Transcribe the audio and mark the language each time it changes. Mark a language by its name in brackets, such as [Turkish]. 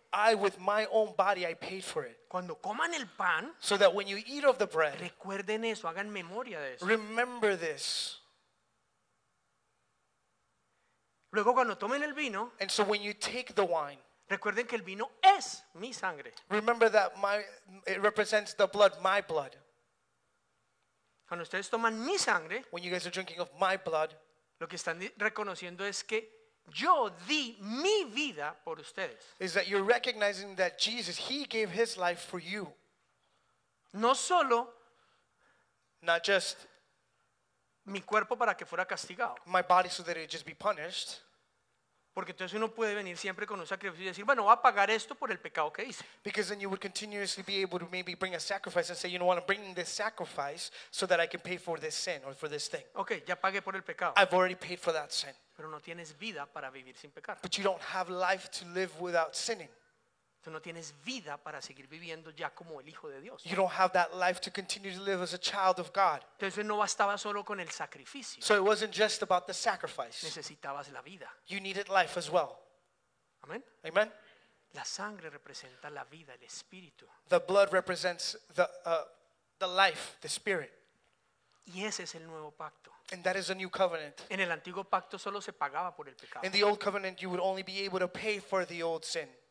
[English] I with my own body I paid for it. [Spanish] Cuando coman el pan. [English] So that when you eat of the bread. [Spanish] Recuerden eso, hagan memoria de eso. [English] Remember this. [Spanish] Luego cuando tomen el vino. [English] And so when you take the wine. [Spanish] Recuerden que el vino es mi sangre. [English] Remember that it represents the blood, my blood. [Spanish] Cuando ustedes toman mi sangre, [English] when you guys are drinking of my blood, [Spanish] lo que están reconociendo es que yo di mi vida por ustedes. [English] Is that you're recognizing that Jesus, he gave his life for you. [Spanish] No solo, [English] not just [Spanish] mi cuerpo para que fuera castigado. [English] My body so that it would just be punished. [Spanish] Porque entonces uno puede venir siempre con un sacrificio y decir, bueno, voy a pagar esto por el pecado que hice. [English] Because then you would continuously be able to maybe bring a sacrifice and say, you know what, I'm bringing this sacrifice so that I can pay for this sin or for this thing. [Spanish] Okay, ya pagué por el pecado. [English] I've already paid for that sin. [Spanish] Pero no tienes vida para vivir sin pecar. [English] But you don't have life to live without sinning. [Spanish] Tú no tienes vida para seguir viviendo ya como el hijo de Dios. [English] You don't have that life to continue to live as a child of God. [Spanish] Entonces no bastaba solo con el sacrificio. [English] So it wasn't just about the sacrifice. [Spanish] Necesitabas la vida. [English] You needed life as well. [Spanish] Amen. [English] Amen. [Spanish] La sangre representa la vida, el espíritu. [English] The blood represents the life, the spirit. [Spanish] Y ese es el nuevo pacto. [English] And that is a new covenant. [Spanish] En el antiguo pacto solo se pagaba por el pecado. [English] In the old covenant, you would only be able to pay for the old sin.